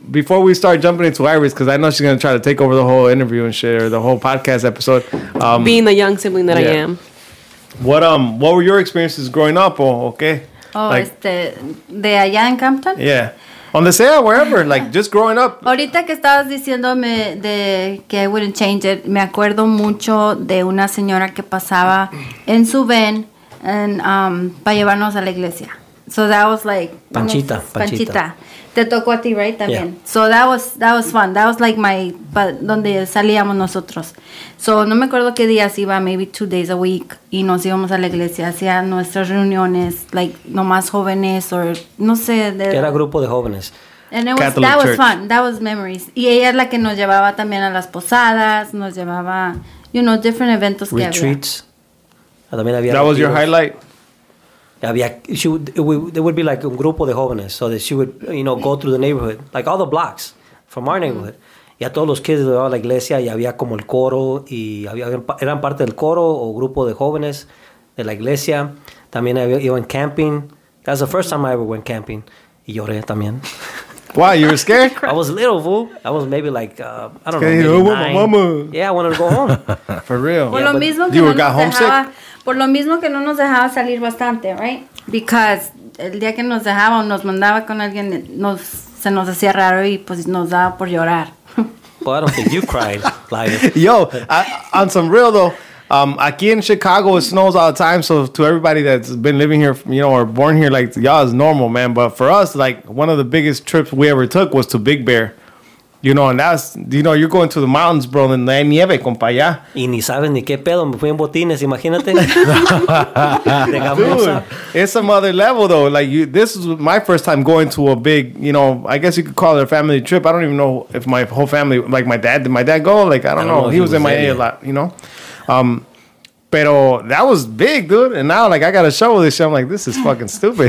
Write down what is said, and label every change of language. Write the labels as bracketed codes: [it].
[en] Before we start jumping into Iris, because I know she's going to try to take over the whole interview and shit, or the whole podcast episode. Being the young sibling that I am. What were your experiences growing up, okay? [es] Oh, like, de allá en Campton? [en] Yeah. On the sale, wherever, like, just growing up. [es] Ahorita que estabas diciéndome de que [en] I wouldn't change it, [es] me acuerdo mucho de una señora que pasaba en su van para llevarnos a la iglesia. [en] So that was like... Panchita. [es] Te tocó a ti, [en] right? [es] También. [en] Yeah. So that was fun. That was like [es] donde salíamos nosotros. So no me acuerdo qué días iba, [en] maybe 2 days a week, [es] y nos íbamos a la iglesia, hacía nuestras reuniones, like nomás jóvenes, o no sé. ¿Qué era grupo de jóvenes? [en] And it was, Catholic that Church. Was fun. That was memories. [es] Y ella es la que nos llevaba también a las posadas, nos llevaba, [en] you know, different [es] eventos. [en] Retreats. [es] Que había. [en] Retreats. That retiros. Was your highlight? There would be like a [es] grupo de jóvenes, [en] so that she would, you know, go through the neighborhood, like all the blocks from our neighborhood. [es] Y a todos los kids de la iglesia, y había como el coro, y había, eran parte del coro o grupo de jóvenes de la iglesia. También iba en camping. [en] That's the first time I ever went camping. [es] Y lloré también. [en] Why? You were scared? I was little, fool. I was maybe like, I don't know, maybe nine. Yeah, I wanted to go home. For real. Yeah, [es] lo mismo que [en] you got homesick? [es] Por lo mismo que no nos dejaba salir bastante, [en] right? Because [es] el día que nos dejaba o nos mandaba con alguien, se nos hacía raro y pues nos daba por llorar. [en] Well, I don't think you cried, Liar. Yo, on some real though, [es] aquí en Chicago [en] it snows all the time, so to everybody that's been living here, you know, or born here, like, y'all is normal, man. But for us, like, one of the biggest trips we ever took was to Big Bear. You know, and that's, you know, you're going to the mountains, bro, and [es] hay nieve, compa, ya. Y ni sabes ni qué pedo, me fui en botines, imagínate. [en] Dude, it's some other level, though. Like, this is my first time going to a big, you know, I guess you could call it a family trip. I don't even know if my whole family, like, did my dad go? Like, I don't know. He was in my A a lot, you know? [es] Pero [en] that was big, dude. And now, like, I got a show with this shit. I'm like, this is fucking stupid.